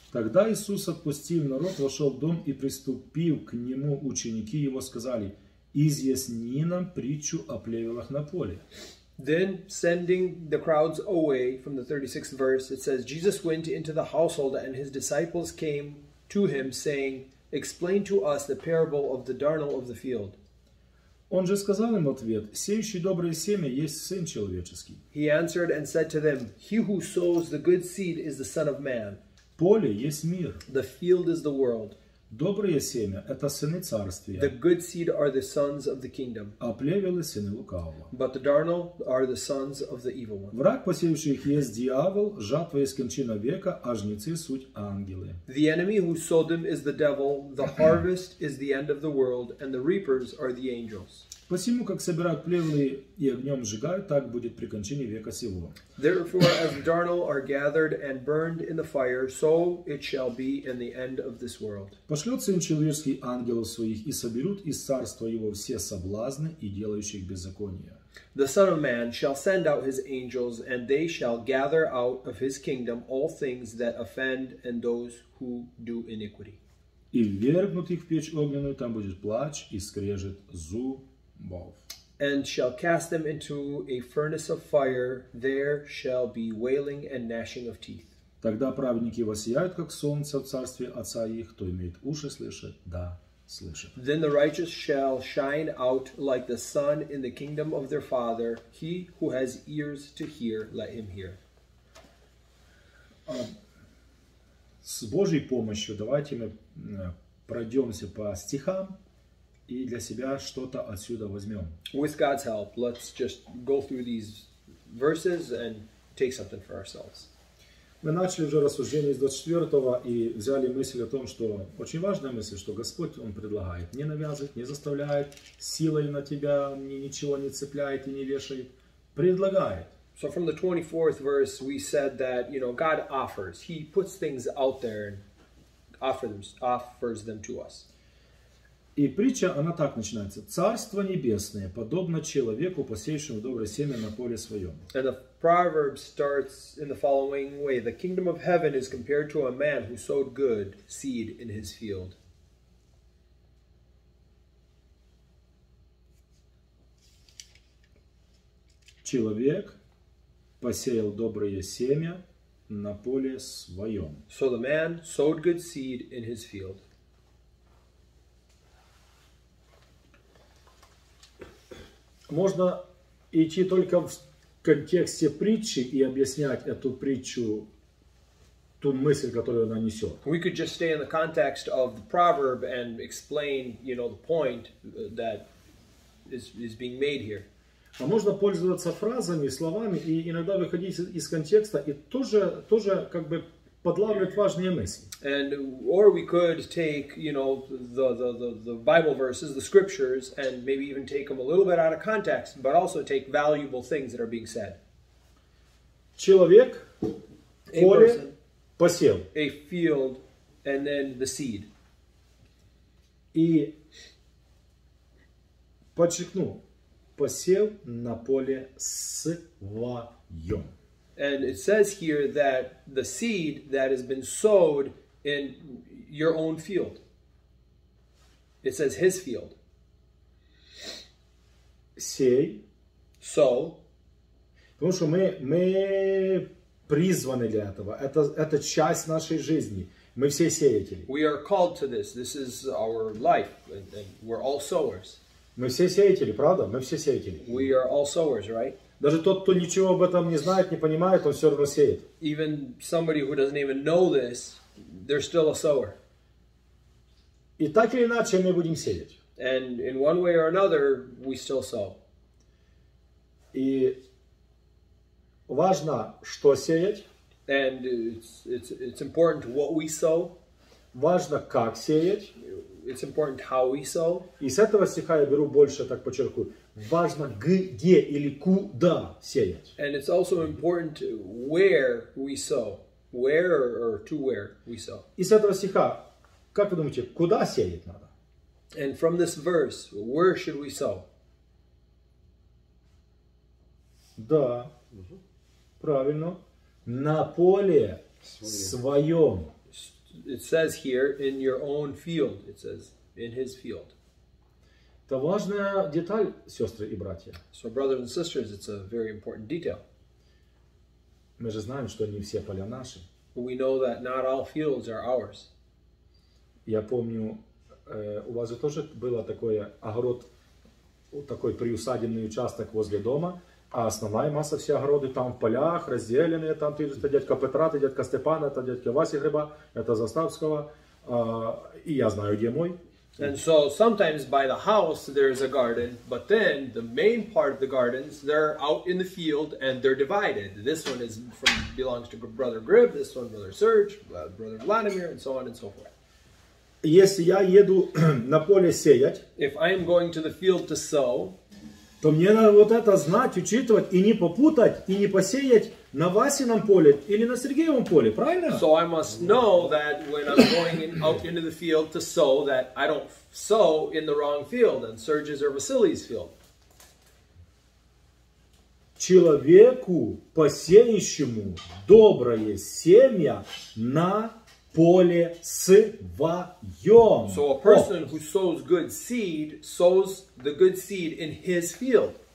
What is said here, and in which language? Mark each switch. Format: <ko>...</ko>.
<ru>Тогда Иисус, отпустив народ, вошел в дом, и приступив к нему ученики его, сказали: «Изъясни нам притчу о плевелах на поле».</ru> <en>Then, sending the crowds away from the 36th verse, it says, Jesus went into the household, and his disciples came to him, saying, Explain to us the parable of the darnel of the field.</en> <ru>Он же сказал им в ответ: «Сеющий доброе семя есть Сын Человеческий».</ru> <en>He answered and said to them, He who sows the good seed is the Son of Man.</en> <ru>Поле есть мир.</ru> <en>The field is the world.</en> <ru>Доброе семя – это сыны царствия.</ru> <en>The good seed are the sons of the kingdom.</en> <ru>А плевелы – сыны лукавого.</ru> <en>But the darnel are the sons of the evil one.</en> <ru>Враг, посеявший их, есть дьявол, жатва есть кончина века, а жнецы – суть ангелы.</ru> <en>The enemy who sowed them is the devil, the harvest is the end of the world, and the reapers are the angels.</en> <ru>Посему, как собирают плевелы и огнем сжигают, так будет при кончине века сего.</ru> <en>Therefore, as the darnel are gathered and burned in the fire, so it shall be in the end of this world.</en> <ru>Пошлет Сын Человеческий ангелов своих, и соберут из царства его все соблазны и делающих беззаконие.</ru> <en>The Son of Man shall send out his angels, and they shall gather out of his kingdom all things that offend and those who do iniquity.</en> <ru>И ввергнут их в печь огненную, там будет плач и скрежет зуб.</ru> <en>And shall cast them into a furnace of fire, there shall be wailing and gnashing of teeth.</en> <ru>Тогда праведники воссияют, как солнце в царстве Отца их, кто имеет уши слышит, да слышит.</ru> <en>Then the righteous shall shine out like the sun in the kingdom of their Father, he who has ears to hear, let him hear.</en> <ru>С Божьей помощью давайте мы пройдемся по стихам. И для себя что-то отсюда возьмем.</ru> <en>With God's help, let's just go through these verses and take something for ourselves.</en> <ru>Мы начали уже рассуждение с 24-го и взяли мысль о том, что очень важная мысль, что Господь, Он предлагает, не навязывает, не заставляет, силой на тебя ничего не цепляет и не вешает, предлагает.</ru> <en>So from the 24th verse, we said that, you know, God offers. He puts things out there and offers them to us.</en> <ru>И притча, она так начинается. Царство небесное подобно человеку, посеявшему доброе семя на поле своем.</ru> <en>And the proverb starts in the following way. The kingdom of heaven is compared to a man who sowed good seed in his field.</en> <ru>Человек посеял доброе семя на поле своем.</ru> <en>So the man sowed good seed in his field.</en> <ru>Можно идти только в контексте притчи и объяснять эту притчу, ту мысль, которую она несет.</ru> <en>We could just stay in the context of the proverb and explain, you know, the point that is being made here.</en> <ru>А можно пользоваться фразами, словами и иногда выходить из контекста и тоже как бы подлавливать важные мысли.</ru> <en>And or we could take, you know, the Bible verses, the scriptures, and maybe even take them a little bit out of context, but also take valuable things that are being said.</en> <ru>Человек, поле, посел.</ru> <en>A field, and then the seed.</en> <ru>И подчеркну. Посел на поле своем.</ru> <en>And it says here that the seed that has been sowed in your own field. It says his field.</en> <ru>Сей.</ru> <en>Sow.</en> <ru>Потому что мы призваны для этого. Это часть нашей жизни. Мы все сеятели.</ru> <en>We are called to this. This is our life. And we're all sowers.</en> <ru>Мы все сеятели, правда? Мы все сеятели.</ru> <en>We are all sowers, right?</en> <ru>Даже тот, кто ничего об этом не знает, не понимает, он все равно сеет.</ru> <en>Even somebody who doesn't even know this, they're still a sower.</en> <ru>И так или иначе мы будем сеять.</ru> <en>And in one way or another, we still sow.</en> <ru>И важно, что сеять.</ru> <en>And it's important what we sow.</en> <ru>Важно, как сеять.</ru> <en>It's important how we sow.</en> <ru>И с этого стиха я беру больше, так подчеркиваю. Важно, где или куда сеять.</ru> <en>And it's also important where we sow. Where or to where we sow.</en> <ru>И с этого стиха, как вы думаете, куда сеять надо?</ru> <en>And from this verse, where should we sow?</en> <ru>Да, правильно. На поле своем.</ru> <en>It says here, in your own field. It says, in his field.</en> <ru>Это важная деталь, сестры и братья.</ru> <en>So, brothers and sisters, it's a very important detail.</en> <ru>Мы же знаем, что не все поля наши.</ru> <en>We know that not all fields are ours.</en> <ru>Я помню, у вас же тоже было такое огород, такой приусадебный участок возле дома. А основная масса все огороды там в полях разделенные, там ты, это дядька Петра, ты дядька Степана, это дядька Васи Гриба, это Заставского, и я знаю, где мой.</ru> <en>And so sometimes by the house there is a garden, but then the main part of the gardens, they're out in the field and they're divided. This one is from, belongs to Brother Grib, this one Brother Serge, Brother Vladimir, and so on and so forth.</en> <ru>Если я еду на поле сеять,</ru> <en>if I am going to the field to sow,</en> <ru>то мне надо вот это знать, учитывать и не попутать, и не посеять на Васином поле или на Сергеевом поле, правильно?</ru> <en>So I must know that when I'm going out into the field to sow, that I don't sow in the wrong field, in Serge's or Vasily's field.</en> <ru>Человеку, посеющему доброе семя на поле своем.</ru> <en>So a person who sows good seed sows the good seed in his field.</en>